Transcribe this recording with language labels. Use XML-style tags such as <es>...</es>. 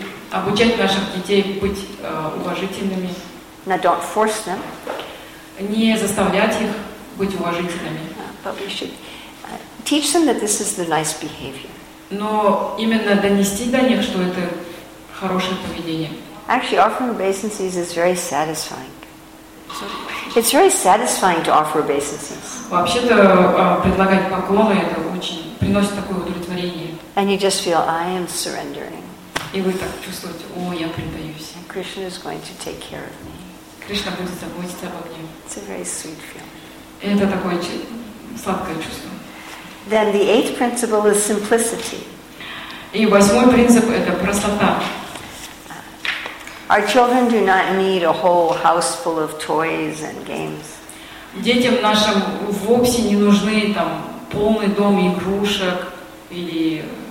<ru>Обучать наших детей быть уважительными.</ru> <en>Now don't force them.</en> <ru>Не заставлять их быть уважительными.</ru> <en>But we should teach them that this is the nice behavior.</en> <ru>Но именно донести до них, что это хорошее поведение.</ru> <en>Actually, offering obeisances is very satisfying. It's very satisfying to offer obeisances.</en> <ru>Вообще-то предлагать поклоны это очень приносит такое удовлетворение.</ru> <en>And you just feel I am surrendering.</en> <ru>И вы так чувствуете, о, я предаюсь.</ru> <en>And Krishna is going to take care of me.</en> <ru>Кришна будет заботиться обо мне.</ru> <en>It's a very sweet feeling.</en> <ru>Это такое сладкое чувство.</ru> <en>Then the eighth principle is simplicity.</en> <ru>И восьмой принцип это простота.</ru> <en>Our children do not need a whole house full of toys and games.</en> <ru>Детям нашим вовсе не нужны там полный дом игрушек или</ru>